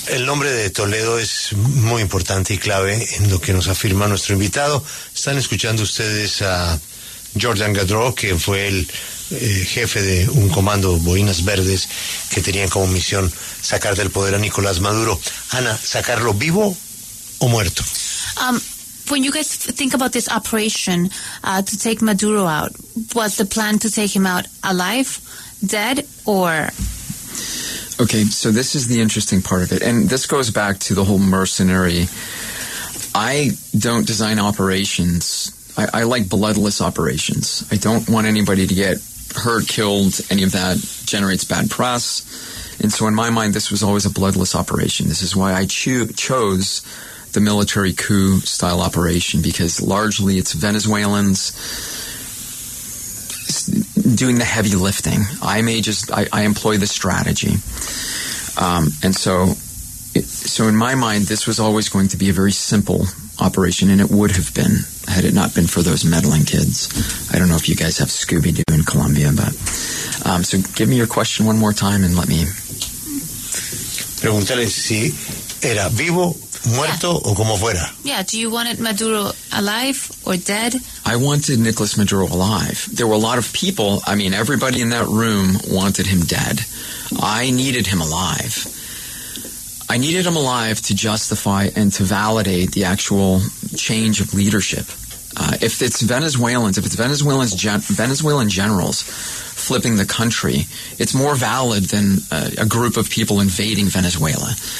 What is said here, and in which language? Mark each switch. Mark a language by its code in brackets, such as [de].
[es] El nombre de Toledo es muy importante y clave en lo que nos afirma nuestro invitado. Están escuchando ustedes a Jordan Gaudreau, que fue el jefe de un comando Boinas Verdes, que tenían como misión sacar del poder a Nicolás Maduro. Ana, ¿sacarlo vivo o muerto? [en] When you guys think about this operation to take Maduro out, was the plan to take him out alive, dead, or? Okay, so this is the interesting part of it. And this goes back to the whole mercenary. I don't design operations. I like bloodless operations. I don't want anybody to get hurt, killed, any of that generates bad press. And so in my mind, this was always a bloodless operation. This is why I chose the military coup style operation, because largely it's Venezuelans doing the heavy lifting. I employ the strategy. So in my mind, this was always going to be a very simple operation, and it would have been had it not been for those meddling kids. I don't know if you guys have Scooby-Doo in Colombia, but so give me your question one more time and let me... [es] Preguntale si era vivo, muerto, [en] yeah, [es] o como fuera. [en] Yeah, do you want Maduro alive or dead? I wanted Nicolas Maduro alive. There were a lot of people, I mean, everybody in that room wanted him dead. I needed him alive. I needed him alive to justify and to validate the actual change of leadership. If it's Venezuelan generals flipping the country, it's more valid than a group of people invading Venezuela.